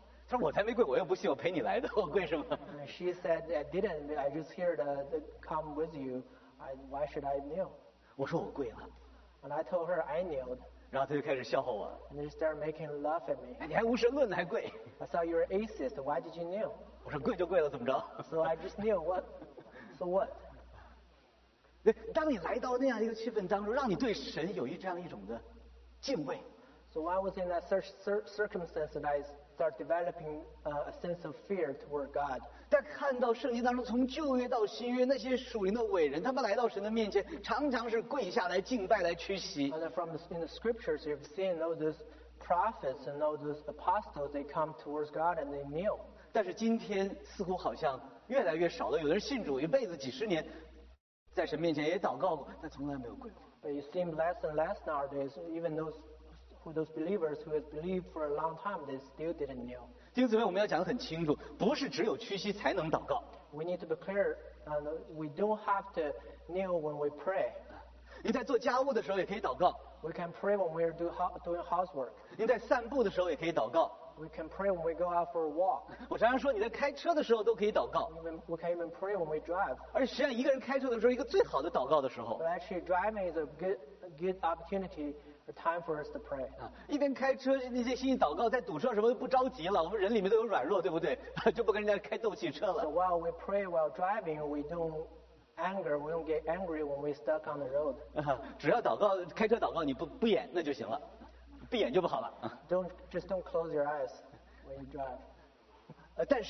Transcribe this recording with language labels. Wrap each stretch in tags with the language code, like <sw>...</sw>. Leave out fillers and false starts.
<zh>说我才没跪，我又不信，我陪你来的，我跪什么</zh> <en>？She said I didn't. I just here to come with you. Why should I kneel?</en> <zh>我说我跪了。</zh> <en>And I told her I kneeled.</en> <zh>然后他就开始笑话我。</zh> <en>And they started making laugh at me.</en> <zh>你还无神论还跪</zh> <en>？I saw you're an atheist. Why did you kneel?</en> <zh>我说跪就跪了，怎么着</zh> <en>？So I just kneel. What? So what?</en> <zh>当你来到那样一个气氛当中，让你对神有这样一种的敬畏。</zh> <en>So I was in that circumstance that I start developing a sense of fear toward God.</en> <zh>但看到圣经当中，从旧约到新约，那些属灵的伟人，他们来到神的面前，常常是跪下来敬拜、来屈膝。</zh> <en>And from in the scriptures, you've seen all those prophets and all those apostles. They come towards God and they kneel.</en> <zh>但是今天似乎好像越来越少了。有的人信主一辈子、几十年，在神面前也祷告过，但从来没有跪过。</zh> <en>But it seems less and less nowadays. Even those believers who have believed for a long time, they still didn't kneel.</en> <zh>弟兄姊妹，我们要讲得很清楚，不是只有屈膝才能祷告。</zh> <en>We need to be clear, we don't have to kneel when we pray.</en> <zh>你在做家务的时候也可以祷告。</zh> <en>We can pray when we are doing housework.</en> <zh>你在散步的时候也可以祷告。</zh> <en>We can pray when we go out for a walk.</en> <zh>我常常说，你在开车的时候都可以祷告。</zh> <en>We can even pray when we drive.</en> <zh>而实际上，一个人开车的时候，一个最好的祷告的时候。</zh> <en>But actually, driving is a good opportunity. Time for us to pray.</en> <zh>一边开车，那些心里祷告，在堵车什么都不着急了。我们人里面都有软弱，对不对？就不跟人家开斗气车了。</zh> <en>So while we pray while driving, we don't get angry when we stuck on the road.</en> <zh>只要祷告，开车祷告，你不演那就行了，不演就不好了。</zh> <en>Just don't close your eyes when you drive.</en>